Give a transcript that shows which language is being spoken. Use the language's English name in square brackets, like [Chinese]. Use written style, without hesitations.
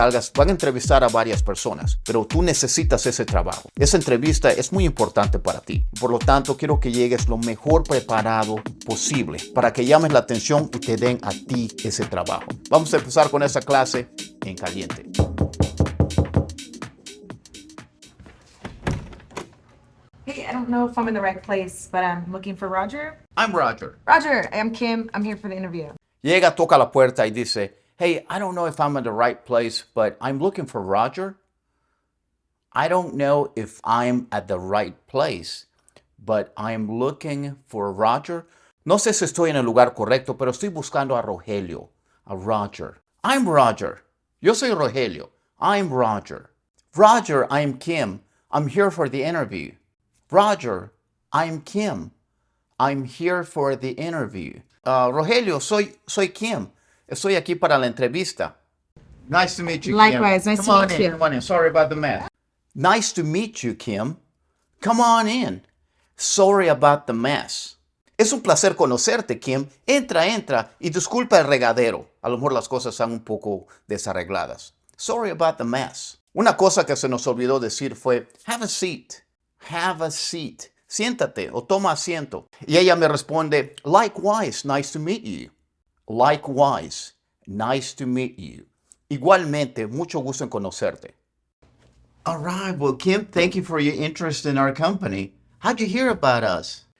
[Spanish] tal vez van a entrevistar a varias personas, pero tú necesitas ese trabajo. Esa entrevista es muy importante para ti. Por lo tanto, quiero que llegues lo mejor preparado posible para que llames la atención y te den a ti ese trabajo. Vamos a empezar con esa clase en caliente. [English] I don't know if I'm in the right place, but I'm looking for Roger. I'm Roger. Roger, I'm Kim. I'm here for the interview. [Spanish] Llega, toca la puerta y dice, [English] hey, I don't know if I'm in the right place, but I'm looking for Roger. I don't know if I'm at the right place, but I'm looking for Roger. [Spanish] No sé si estoy en el lugar correcto, pero estoy buscando a Rogelio, a Roger. [English] I'm Roger. [Spanish] Yo soy Rogelio. [English] I'm Roger. Roger, I'm Kim. I'm here for the interview. Roger, I'm Kim. I'm here for the interview. [Spanish] Rogelio, soy Kim. Estoy aquí para la entrevista. [English] Nice to meet you, Likewise, Kim. Likewise, nice come to meet in, Come on in, sorry about the mess. Nice to meet you, Kim. Come on in. Sorry about the mess. [Spanish] Es un placer conocerte, Kim. Entra, entra y disculpa el regadero. A lo mejor las cosas están un poco desarregladas. [English] Sorry about the mess. [Spanish] Una cosa que se nos olvidó decir fue, [English] have a seat. Have a seat. [Spanish] Siéntate o toma asiento. Y ella me responde, likewise, nice to meet you. [English] Likewise, nice to meet you. [Spanish] Igualmente, mucho gusto en conocerte. [English] All right, well, Kim, thank you for your interest in our company. How'd you hear about us?